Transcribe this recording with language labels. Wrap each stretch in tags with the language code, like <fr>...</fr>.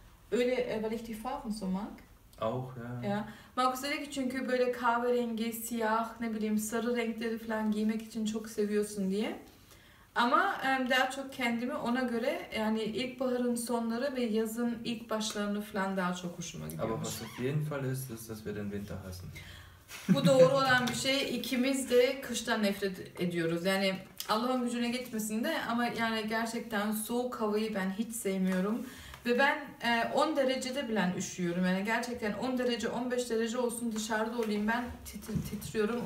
<de>Öyle, weil ich die Farben so mag. Auch, ja. Ja.</de> <tr>Markus dedi ki çünkü böyle kahverengi, siyah, ne bileyim sarı renkleri falan giymek için çok seviyorsun diye. Ama daha çok kendimi ona göre yani ilkbaharın sonları ve yazın ilk başlarını falan daha çok hoşuma gidiyor.</tr> <de>Aber was auf jeden Fall ist, ist, dass wir den Winter hassen.</de> <tr>Bu doğru olan bir şey. İkimiz de kıştan nefret ediyoruz. Yani Allah'ın gücüne gitmesin de ama yani gerçekten soğuk havayı ben hiç sevmiyorum. Ve ben 10 derecede bilen üşüyorum. Yani gerçekten 10 derece, 15 derece olsun dışarıda olayım ben titriyorum.</tr>